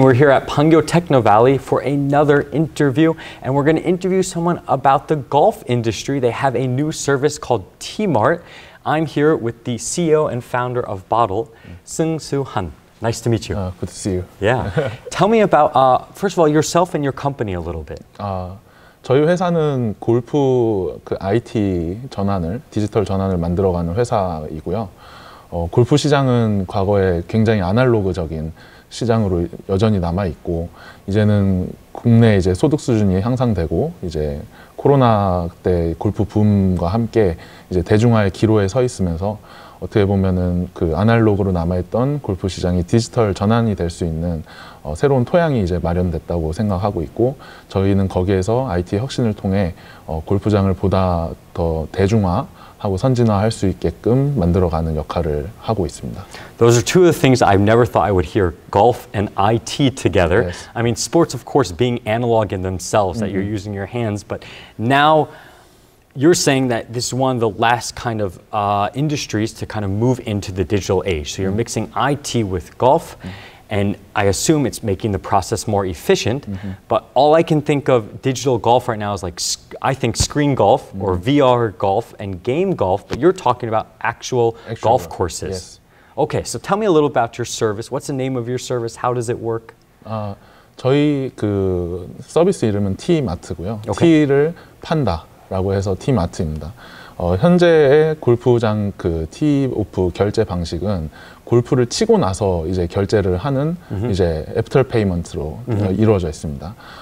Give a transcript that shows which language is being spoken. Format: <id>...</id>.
<en>We're here at Pungyo Techno Valley for another interview, and we're going to interview someone about the golf industry. They have a new service called T-Mart. I'm here with the CEO and founder of Bottle, Seung Soo Han. Nice to meet you. Good to see you. Yeah. Tell me about, first of all, yourself and your company a little bit.</en> <ko>저희 회사는 골프 그 IT 전환을, 디지털 전환을 만들어가는 회사이고요. 골프 시장은 과거에 굉장히 아날로그적인 시장으로 여전히 남아 있고, 이제는 국내 이제 소득 수준이 향상되고, 이제 코로나 때 골프 붐과 함께 이제 대중화의 기로에 서 있으면서 어떻게 보면은 그 아날로그로 남아있던 골프 시장이 디지털 전환이 될 수 있는 새로운 토양이 이제 마련됐다고 생각하고 있고, 저희는 거기에서 IT 혁신을 통해 골프장을 보다 더 대중화 하고 선진화할 수 있게끔 만들어가는 역할을 하고 있습니다.</ko> <en>Those are two of the things I've never thought I would hear, golf and IT together. Yes. I mean, sports, of course, being analog in themselves, that you're using your hands, but now you're saying that this is one of the last kind of industries to kind of move into the digital age. So you're mixing IT with golf, and I assume it's making the process more efficient, but all I can think of digital golf right now is like, I think screen golf or VR golf and game golf, but you're talking about actual golf courses. Yes. Okay, so tell me a little about your service. What's the name of your service? How does it work?</en> <ko>저희 그 서비스 이름은 T마트고요.</ko> <en>Okay.</en> <ko>T를 판다 라고 해서 T마트입니다. 현재의 골프장 그 T-OFF 결제 방식은 골프를 치고 나서 이제 결제를 하는 이제 애프터 페이먼트로 이루어져 있습니다.</ko>